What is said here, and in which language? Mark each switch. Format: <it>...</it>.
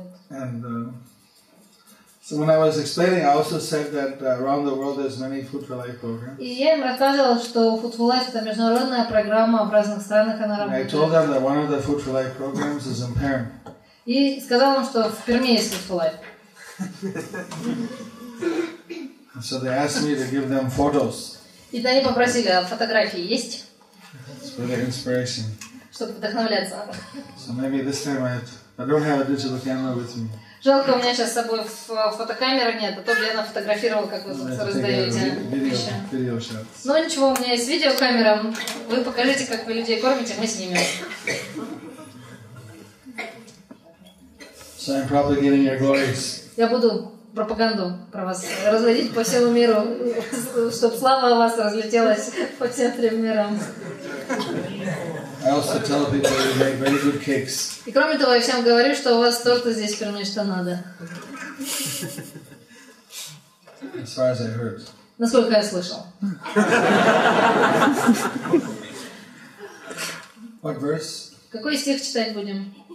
<en>And so when I was explaining, I also said that around the world there's many food for life programs.</en> <ru>И я им рассказывала, что Food for Life это международная программа в разных странах она работает.</ru> <en>I told them that one of the Food for Life programs is in Perm.</en> <ru>И сказала им, что в Перми есть Food for Life.</ru> <en>So they asked me to give them photos.</en> <ru>И они попросили, а фотографии есть?</ru> <en>It's for their inspiration.</en> <ru>Чтобы вдохновляться.</ru> <en>So maybe this time I don't have a digital camera with me.</en> <ru>Жалко, у меня сейчас с собой фотокамеры нет, а то бы я нафотографировала, как вы раздаете пищу. Но ничего, у меня есть видеокамера. Вы покажите, как вы людей кормите, мы снимем.</ru> <en>So I'm probably giving your glories.</en> <ru>Я буду пропаганду про вас разводить по всему миру, чтобы слава о вас разлетелась по центрам мира.</ru> <en>I also tell people you make very good cakes.</en> <ru>И кроме того, я всем говорю, что у вас торт здесь прямо что надо.</ru> <en>As far as I heard.</en> <ru>Насколько я слышал.</ru> <en>What verse?</en> <ru>Какой стих читать будем?</ru>